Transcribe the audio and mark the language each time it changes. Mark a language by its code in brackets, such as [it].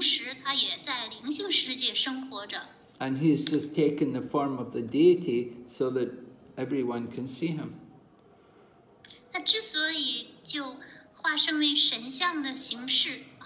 [zh] 但是我们要明白，神像它与此同时，它也在灵性世界生活着。 [en] And he has just taken the form of the deity so that everyone can see him. [zh] 那之所以就化身为神像的形式。